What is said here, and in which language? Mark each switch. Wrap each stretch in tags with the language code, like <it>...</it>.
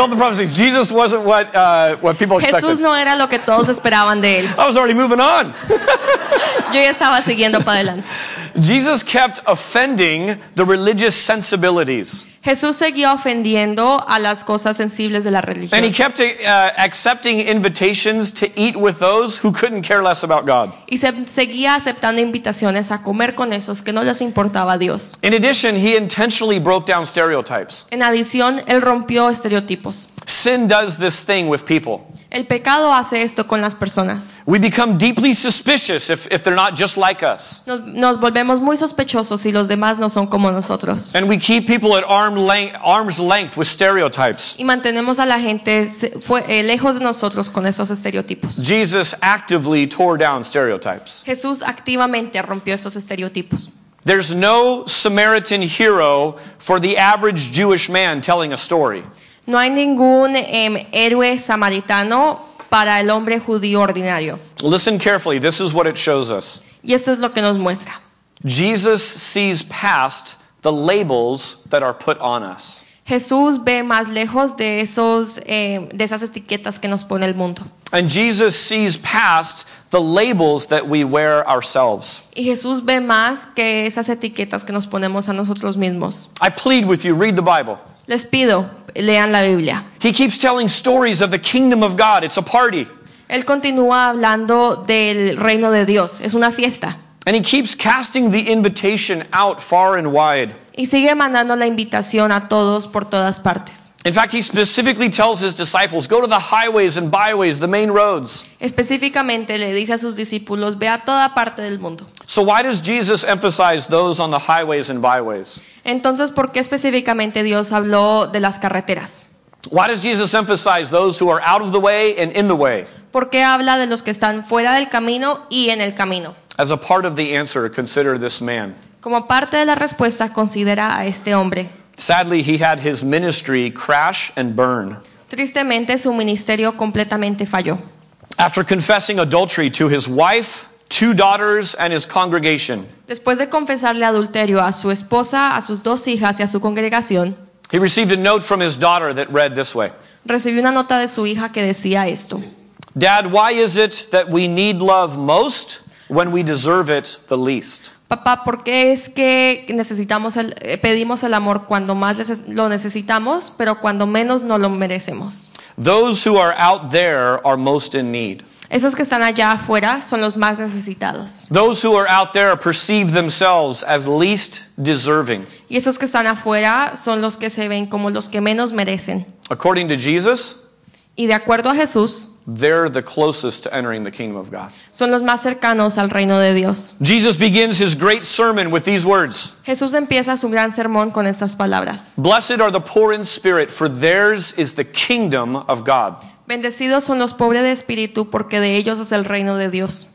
<en>all the prophecies, Jesus wasn't what people expected.</en> <es>Jesús no era lo que todos esperaban de él.</es> <en>I was already moving on.</en> <es>Yo ya estaba siguiendo para adelante.</es> <en>Jesus kept offending the religious sensibilities.</en> <es>Jesús seguía ofendiendo a las cosas sensibles de la religión.</es> <en>And he kept accepting invitations to eat with those who couldn't care less about God.</en> <es>Y seguía aceptando invitaciones a comer con esos que no les importaba a Dios.</es> <en>In addition, he intentionally broke down stereotypes.</en> <es>En adición, él rompió estereotipos.</es> <en>Sin does this thing with people.</en> <es>El pecado hace esto con las personas.</es> <en>We become deeply suspicious if they're not just like us.</en> <es>Nos volvemos muy sospechosos si los demás no son como nosotros.</es> <en>And we keep people at arm's length with stereotypes.</en> <es>Y mantenemos a la gente lejos de nosotros con esos estereotipos.</es> <en>Jesus actively tore down stereotypes.</en> <es>Jesús activamente rompió esos estereotipos.</es> <en>There's no Samaritan hero for the average Jewish man telling a story.</en> <es>No hay ningún héroe samaritano para el hombre judío ordinario.</es> <en>Listen carefully. This is what it shows us.</en> <es>Y eso es lo que nos muestra.</es> <en>Jesus sees past the labels that are put on us.</en> <es>Jesús ve más lejos de esas etiquetas que nos pone el mundo.</es> <en>And Jesus sees past the labels that we wear ourselves.</en> <es>Y Jesús ve más que esas etiquetas que nos ponemos a nosotros mismos.</es> <en>I plead with you. Read the Bible.</en> <es>Les pido, lean la Biblia.</es> <en>He keeps telling stories of the kingdom of God. It's a party.</en> <es>Él continúa hablando del reino de Dios. Es una fiesta.</es> <en>And he keeps casting the invitation out far and wide.</en> <es>Y sigue mandando la invitación a todos por todas partes.</es> <en>In fact, he specifically tells his disciples, go to the highways and byways, the main roads.</en> <es>Específicamente le dice a sus discípulos, ve a toda parte del mundo.</es> <en>So why does Jesus emphasize those on the highways and byways?</en> <es>Entonces, ¿por qué específicamente Dios habló de las carreteras?</es> <en>Why does Jesus emphasize those who are out of the way and in the way?</en> <es>¿Por qué habla de los que están fuera del camino y en el camino?</es> <en>As a part of the answer, consider this man.</en> <es>Como parte de la respuesta, considera a este hombre.</es> <en>Sadly, he had his ministry crash and burn.</en> <es>Tristemente, su ministerio completamente falló.</es> <en>After confessing adultery to his wife, two daughters, and his congregation.</en> <es>Después de confesarle adulterio a su esposa, a sus dos hijas y a su congregación.</es> <en>He received a note from his daughter that read this way.</en> <es>Recibió una nota de su hija que decía esto.</es> <en>Dad, why is it that we need love most when we deserve it the least?</en> <es>Papá, ¿por qué es que pedimos el amor cuando más lo necesitamos, pero cuando menos no lo merecemos?</es> <en>Those who are out there are most in need.</en> <es>Esos que están allá afuera son los más necesitados.</es> <en>Those who are out there perceive themselves as least deserving.</en> <es>Y esos que están afuera son los que se ven como los que menos merecen.</es> <en>According to Jesus,</en> <es>y de acuerdo a Jesús,</es> <en>they're the closest to entering the kingdom of God.</en> <es>Son los más cercanos al reino de Dios.</es> <en>Jesus begins his great sermon with these words.</en> <es>Jesús empieza su gran sermón con estas palabras.</es> <en>Blessed are the poor in spirit, for theirs is the kingdom of God.</en> <es>Bendecidos son los pobres de espíritu, porque de ellos es el reino de Dios.</es>